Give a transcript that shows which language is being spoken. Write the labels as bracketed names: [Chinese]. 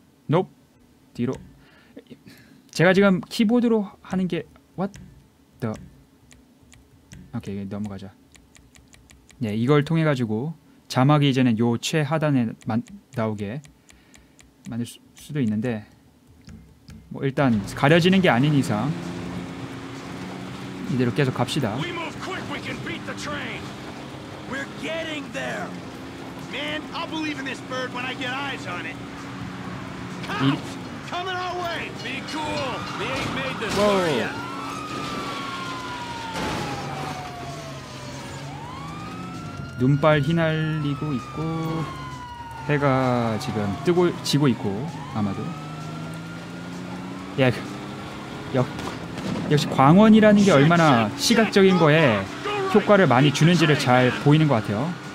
[Korean] Nope 뒤로 제가 지금 키보드로 하는 게 [English] what the [Korean] 오케이 넘어가자. 네 이걸 통해 가지고 자막이 이제는 요 최하단에 나오게 만들 수도 있는데 뭐 일단 가려지는 게 아닌 이상 이대로 계속 갑시다. [English] We move quick, we can beat the train. We're getting there. Man, I'll believe in this bird when I get eyes on it. Coming our way. Be cool. We ain't made this yet. [Korean] 눈발 휘날리고 있고 해가 지금 뜨고 지고 있고 아마도 예, 역시 광원이라는 게 얼마나 시각적인 거에 효과를 많이 주는지를 잘 보이는 것 같아요.